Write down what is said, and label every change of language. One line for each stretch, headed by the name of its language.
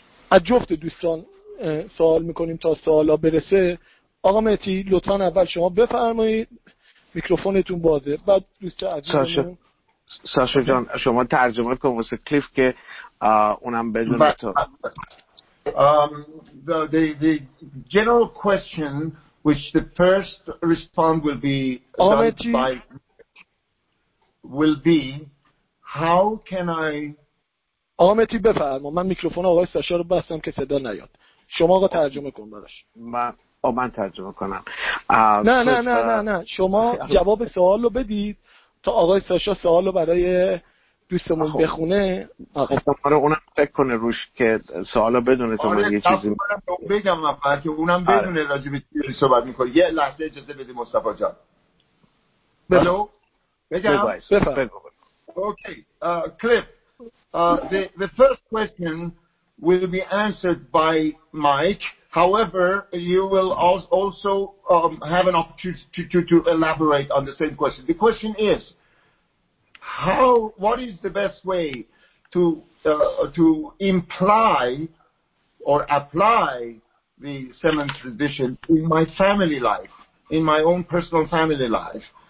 Persian: از جفت دوستان سوال میکنیم تا سوالا برسه. آقا مهدی لطفا اول شما بفرمایید، میکروفونتون بازه. بعد دوست عزیزمون ساشا جان شما ترجمه کن واسه کلیف که اونم بدون تو.
English: The general question which the first respond will be done by will be how can I
Persian: آمتی بفرما من میکروفون آقای ساشا رو بستم که صدا نیاد. شما آقا ترجمه کن براش. من ترجمه کنم. نه نه نه نه نه شما جواب سوال رو بدید تا آقای ساشا سوال رو برای دوستمون بخونه. آقا برای اونم فکر کنه روش که سوال رو بدونه. آره من یه چیزی بگم فقط که اونم بدونه راجع به چی صحبت میکنه. یه لحظه اجازه بدید مصطفی جان. بلو بگم.
English: Okay Cliff the first question will be answered by Mike. However, you will also have an opportunity to elaborate on the same question. The question is, what is the best way to imply or apply the seventh tradition in my family life, in my own personal family life?